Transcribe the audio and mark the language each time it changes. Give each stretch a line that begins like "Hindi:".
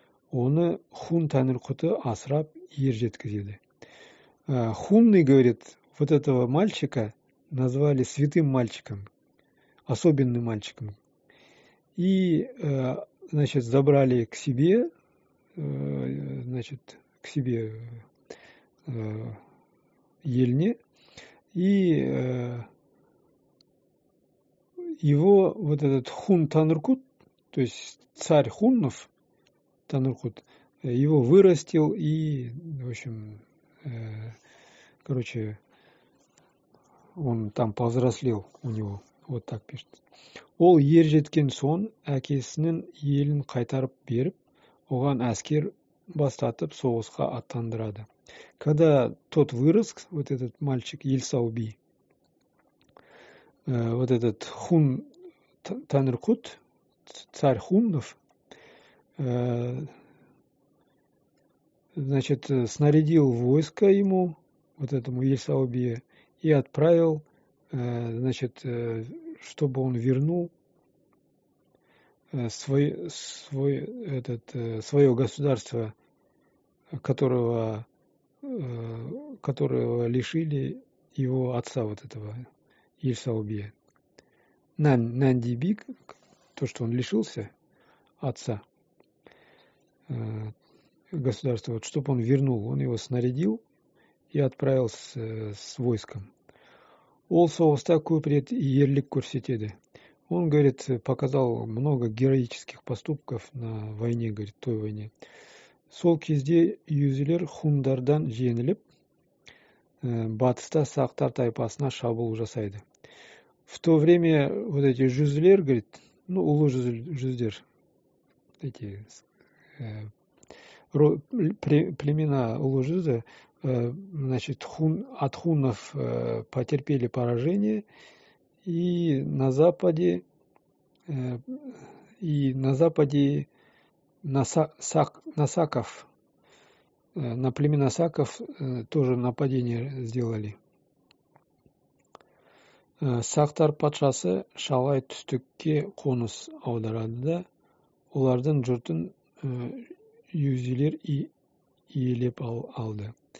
Kazakh: Оны хун тәңірқұты асырап ер жеткізеді.
Russian: Хунный, говорит, вот этого мальчика назвали святым мальчиком, особенным мальчиком. И, значит, забрали к себе, значит, к себе Ельне, и его вот этот Хун Танркут, то есть царь Хуннов Танркут, его вырастил и, в общем, короче, он там повзрослел у него. Вот так пишет.
Kazakh: Ол ер жеткен сон, әкесінің елін қайтарып беріп, оған әскер бастатып, соғысқа аттандырады.
Russian: Когда тот вырос, вот этот мальчик, Ельсауби, вот этот Хун Танркут, царь Хуннов, значит, снарядил войско ему, вот этому Ельсаубе, и отправил, значит, чтобы он вернул свое государство, которого лишили его отца, вот этого Ельсаубе. Нандибик, то, что он лишился отца государства, вот, чтобы он вернул, он его снарядил и отправил с войском.
Kazakh: Ол соғыста көп ерлік көрсетеді.
Russian: Он, говорит, показал много героических поступков на войне, говорит, той войне.
Kazakh: Сол кезде юзилер хундардан женіліп, батыста сақтар тайпасына шабуыл жасайды.
Russian: В то время вот эти жүзілер, говорит, ну, улы жүздер, эти племена улы жүзі, значит, от хуннов потерпели поражение, и на западе на племена саков тоже нападение сделали.
Kazakh: Сақтар патшасы шалай түстікке қоныс аударады да, олардың жұртын юзилер и иелеп алды.